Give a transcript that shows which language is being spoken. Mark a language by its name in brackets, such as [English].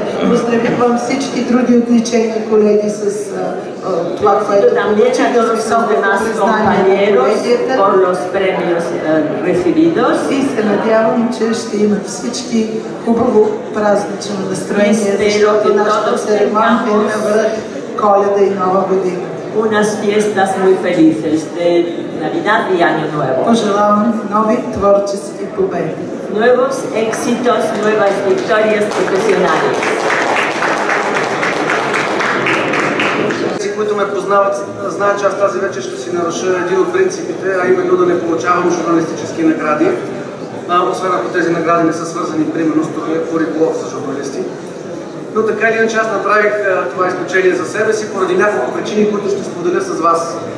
[Bulgarian] Поздравявам всички други отличени колеги с това, което получихте с високо признание на колегията. [Spanish] Por los premios recibidos. [Bulgarian] И се надявам, че ще има всички хубаво празнично настроение, защото нашата церемония е на връх Коледа и Нова година. [Spanish] Unas fiestas muy felices de Navidad y Año Nuevo. [Bulgarian] Пожелавам нови творчески победи. [Spanish] Nuevos éxitos, nuevas victorias profesionales. [Bulgarian] Тези, които ме познават, знаят, че аз тази вечер ще си наруша един от принципите, а именно да не получавам журналистически награди, освен ако тези награди не са свързани, примерно, с това курикулов за журналисти. Но така или иначе аз направих това изключение за себе си поради няколко причини, които ще споделя с вас.